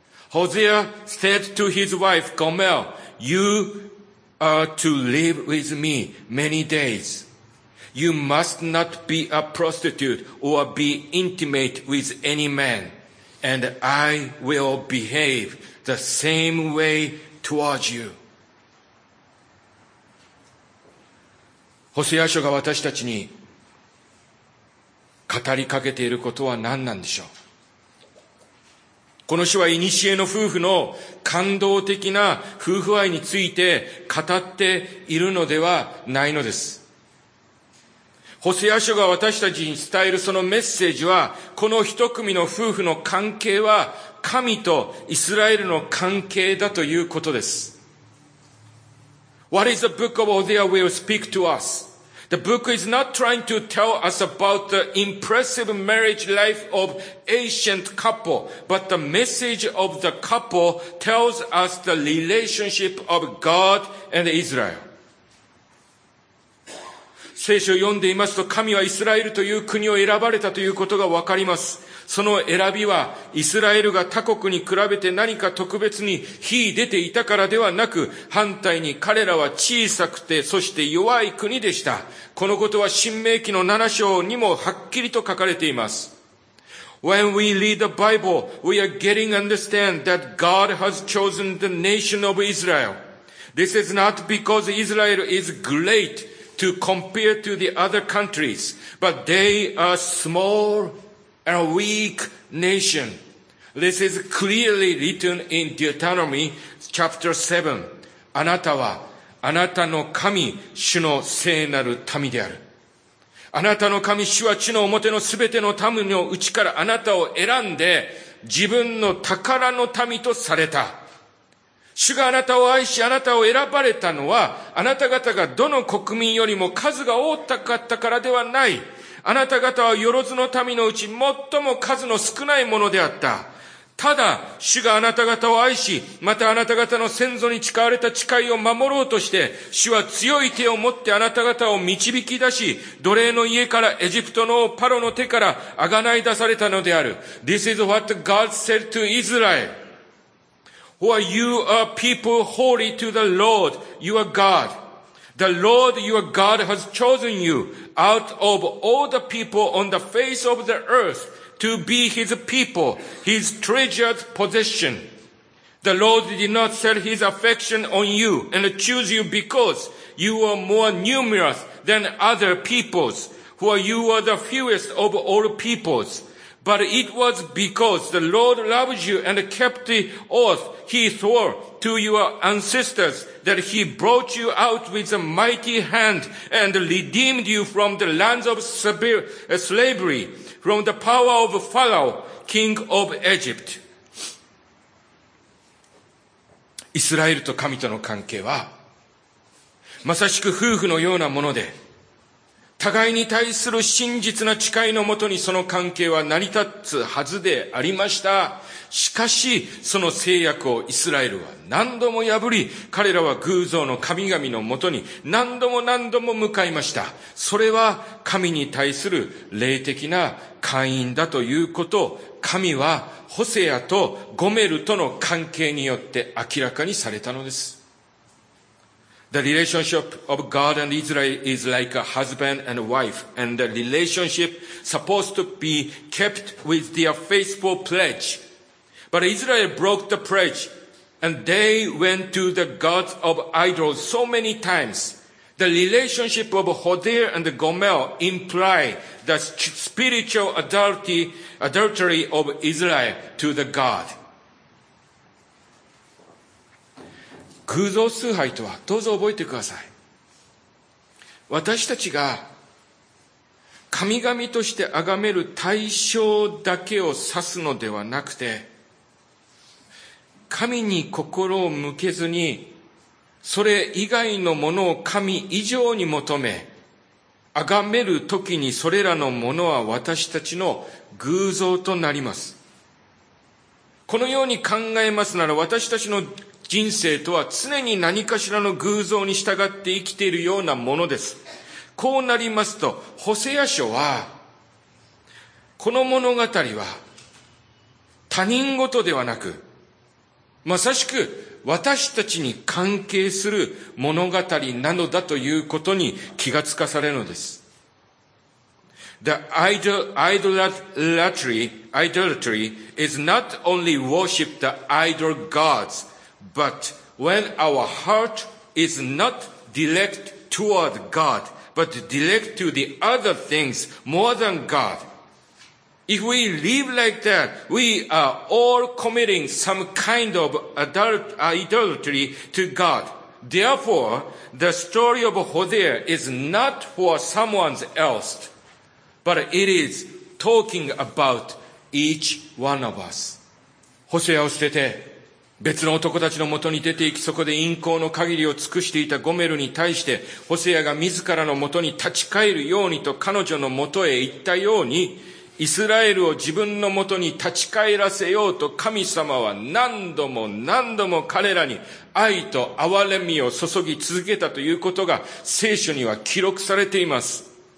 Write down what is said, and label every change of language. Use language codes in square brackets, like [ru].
[en] Hosea said to his wife, Gomer, you are to live with me many days. You must not be a prostitute or be intimate with any man, and I will behaveThe same way towards you. [ja] ホセア書が私たちに語りかけていることは何なんでしょう。この書は古の夫婦の感動的な夫婦愛について語っているのではないのです。ホセア書が私たちに伝えるそのメッセージは、この一組の夫婦の関係は神とイスラエルの関係だということです。 [en] What is the book of Hosea will speak to us? The book is not trying to tell us about the impressive marriage life of ancient couple, but the message of the couple tells us the relationship of God and Israel. [ja] 聖書を読んでいますと、神はイスラエルという国を選ばれたということがわかります。その選びは、イスラエルが他国に比べて何か特別に秀でていたからではなく、反対に彼らは小さくて、そして弱い国でした。このことは申命記の7章にもはっきりと書かれています。 [en] When we read the Bible, we are getting understand that God has chosen the nation of Israel. This is not because Israel is great. To compare to the other countries, but they are small and weak nation. This is clearly written in Deuteronomy chapter 7. [ja] あなたはあなたの神主の聖なる民である。あなたの神主は地の表のすべての民のうちからあなたを選んで自分の宝の民とされた。主があなたを愛しあなたを選ばれたのは、あなた方がどの国民よりも数が多かったからではない。あなた方はよろずの民のうち最も数の少ないものであった。ただ主があなた方を愛し、またあなた方の先祖に誓われた誓いを守ろうとして、主は強い手を持ってあなた方を導き出し、奴隷の家からエジプトの王パロの手から贖い出されたのである。 [en] This is what God said to Israel. Who are you a people holy to the Lord your God? The Lord your God has chosen you out of all the people on the face of the earth. To be his people, his treasured possession. The Lord did not set his affection on you and choose you because you were more numerous than other peoples, for you were the fewest of all peoples. But it was because the Lord loved you and kept the oath he swore to your ancestors that he brought you out with a mighty hand and redeemed you from the lands of slavery. From the power of Pharaoh, king of Egypt. [ja] イスラエルと神との関係は、まさしく夫婦のようなもので、互いに対する真実な誓いのもとにその関係は成り立つはずでありました。しかし、その制約をイスラエルは何度も破り、彼らは偶像の神々のもとに何度も何度も向かいました。それは神に対する霊的な会員だということを、神はホセアとゴメルとの関係によって明らかにされたのです。 [en] The relationship of God and Israel is like a husband and wife, and the relationship supposed to be kept with their faithful pledge. But Israel broke the pledge, and they went to the gods of idols so many times. The relationship of Hodea and Gomel imply the spiritual adultery of Israel to the God. [ja] 偶像崇拝とは、どうぞ覚えてください。私たちが神々として崇める対象だけを指すのではなくて、神に心を向けずに、それ以外のものを神以上に求め、崇めるときにそれらのものは私たちの偶像となります。このように考えますなら、私たちの人生とは常に何かしらの偶像に従って生きているようなものです。こうなりますと、ホセア書は、この物語は他人事ではなく、まさしく私たちに関係する物語なのだということに気がつかされるのです。 [en] The idolatry is not only worship the idol gods, but when our heart is not direct toward God, but direct to the other things more than God. If we live like that, we are all committing some kind of idolatry to God. Therefore, the story of Hodea is not for someone else, but it is talking about each one of us. [ja] ホセアを捨てて、別の男たちのもとに出て行き、そこで淫行の限りを尽くしていたゴメルに対して、ホセアが自らのもとに立ち返るようにと彼女のもとへ行ったように、イスラエルを自分のもとに立ち返らせようと神様は何度も何度も彼らに愛と憐れみを注ぎ続けたということが聖書には記録されています。